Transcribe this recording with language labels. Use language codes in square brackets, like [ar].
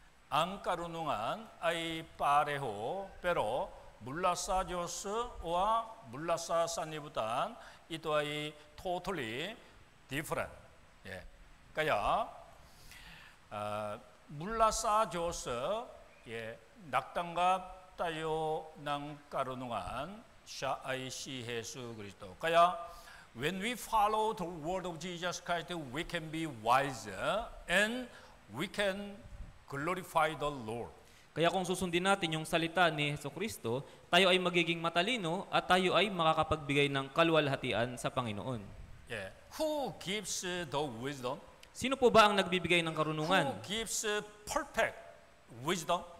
[tl] Ang karunungan ay pareho pero mula sa Diyos o mula sa sanlibutan, ito ay [en] totally different. [tl] Kaya mula sa Diyos, nagtanggap tayo ng karunungan. Siya ay si Jesu Kristo. [en] Kaya, when we follow the word of Jesus Christ, we can be wiser and we can glorify the Lord. [tl] Kaya kung susundin natin yung salita ni Jesu Kristo, tayo ay magiging matalino at tayo ay makakapagbigay ng kaluwalhatian sa Panginoon. [en] Yeah. Who gives the wisdom? [tl] Sino po ba ang nagbibigay ng karunungan? [en] Who gives perfect wisdom?